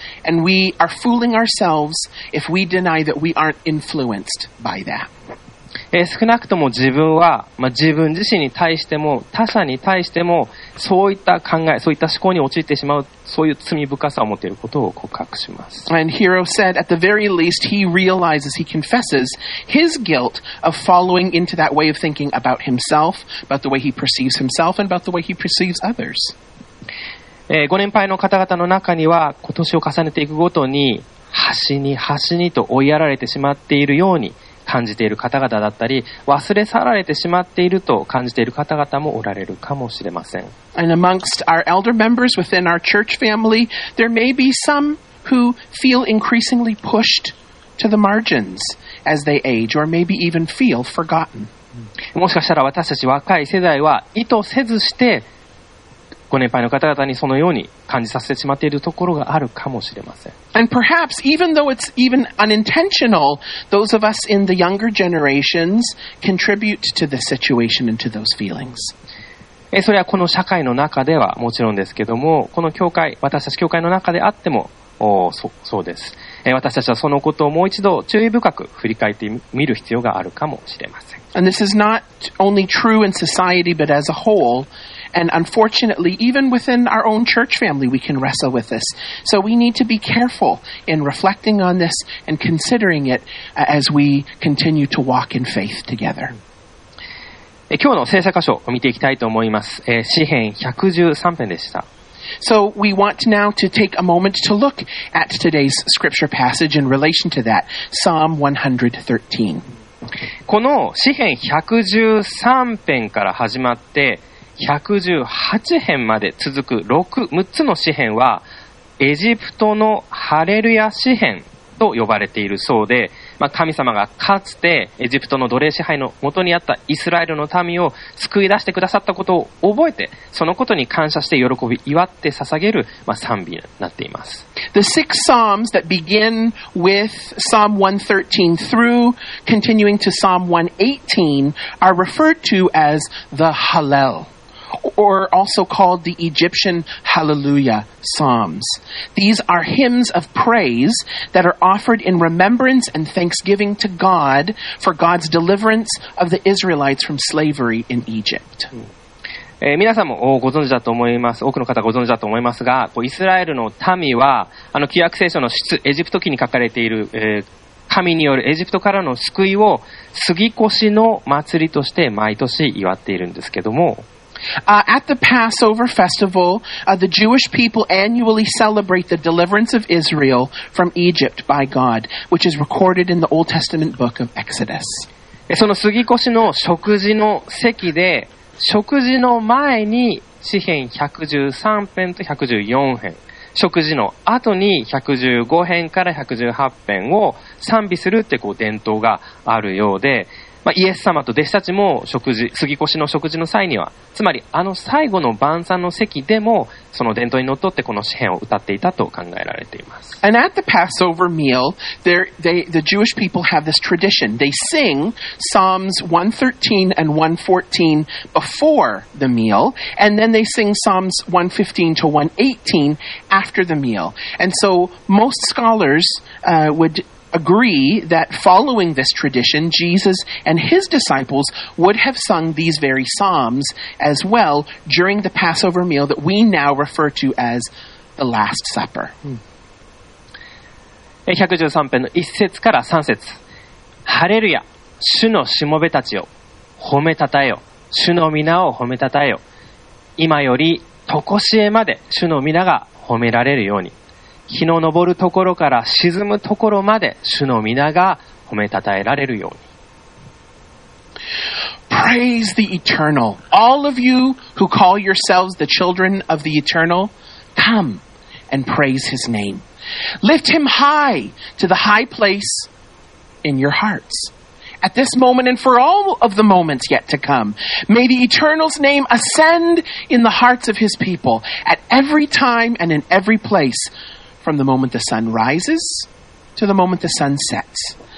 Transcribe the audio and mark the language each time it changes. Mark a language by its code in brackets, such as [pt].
[en] And we are fooling ourselves if we deny that we aren't influenced by that. [ja] 少なくとも自分は、まあ、自分自身に対しても他者に対してもそういった考え、そういった思考に陥ってしまう、そういう罪深さを持っていることを告白します。 [en] And Hiro said, at the very least, he realizes, he confesses his guilt of following into that way of thinking about himself, about the way he perceives himself, and about the way he perceives others. [ja] ご年配の方々の中には、今年を重ねていくごとに、端にと追いやられてしまっているように、感じている方々だったり、忘れ去られてしまっていると感じている方々もおられるかもしれません。 [en] And amongst our elder members within our church family, there may be some who feel increasingly pushed to the margins as they age, or maybe even feel forgotten. [ja] もしかしたら私たち若い世代は意図せずしてご年配の方々にそのように感じさせてしまっているところがあるかもしれません。 [en] And perhaps, even though it's even unintentional, those of us in the younger generations contribute to the situation and to those feelings. [ja] それはこの社会の中ではもちろんですけども、この教会、私たち教会の中であっても、そうです。私たちはそのことをもう一度注意深く振り返ってみる必要があるかもしれません。 [en] And this is not only true in society, but as a whole,And unfortunately, even within our own church family, we can wrestle with this. So we need to be careful in reflecting on this and considering it as we continue to walk in faith together. [ja] 今日の聖書箇所を見ていきたいと思います。詩篇113篇でした。 [en] So we want now to take a moment to look at today's scripture passage in relation to that, Psalm 113. [ja] この詩篇113篇から始まって、118編まで続く 6つの詩篇はエジプトのハレルヤ詩篇と呼ばれているそうで、まあ、神様がかつてエジプトの奴隷支配のもとにあったイスラエルの民を救い出してくださったことを覚えてそのことに感謝して喜び祝って捧げる、まあ、賛美になっています。 [en] The six psalms that begin with Psalm 113 through continuing to Psalm 118 are referred to as the Hallel. Or also called the Egyptian Hallelujah Psalms. These are hymns of praise that are offered in remembrance and thanksgiving to God for God's deliverance of the Israelites from slavery in Egypt. [ja] 皆さんもご存知だと思います。多くの方ご存知だと思いますが、イスラエルの民は、旧約聖書の出エジプト記に書かれている、神によるエジプトからの救いを過ぎ越しの祭りとして毎年祝っているんですけども、 [en] At the Passover festival, the Jewish people annually celebrate the deliverance of Israel from Egypt by God, which is recorded in the Old Testament book of Exodus. [ja] その過ぎ越しの食事の席で、食事の前に詩篇113篇と114篇、食事の後に115篇から118篇を賛美するってこう伝統があるようで、まあ、イエス様と弟子たちも食事、過ぎ越しの食事の際には、つまり最後の晩餐の席でも、その伝統にのっとってこの詩篇を歌っていたと考えられています。 [en] And at the Passover meal, the Jewish people have this tradition. They sing Psalms 113 and 114 before the meal, and then they sing Psalms 115 to 118 after the meal. And so most scholars, would agree that following this tradition, Jesus and his disciples would have sung these very psalms as well during the Passover meal that we now refer to as the Last Supper. [ja] 113編の1節から3節。ハレルヤ、主のしもべたちよ、褒めたたえよ、主の皆を褒めたたえよ。今より常しえまで主の皆が褒められるように、日の昇るところから沈むところまで主の皆が褒めたたえられるように。 [en] Praise the Eternal. All of you who call yourselves the children of the Eternal, come and praise His name. Lift Him high to the high place in your hearts. At this moment and for all of the moments yet to come, may the Eternal's name ascend in the hearts of His people at every time and in every place, from the moment the sun rises to the moment the sun sets.